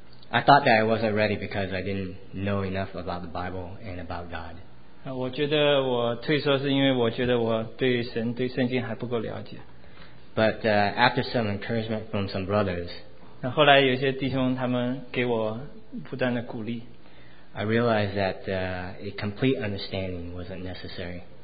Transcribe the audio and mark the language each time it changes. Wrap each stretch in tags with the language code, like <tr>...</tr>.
<en>I thought that I wasn't ready because I didn't know enough about the Bible and about God.</en> <zh>我觉得我退缩是因为我觉得我对神、对圣经还不够了解。</zh> <en>But after some encouragement from some brothers,</en> <zh>后来有些弟兄他们给我不断的鼓励。</zh> <en>I realized that a complete understanding wasn't necessary.</en>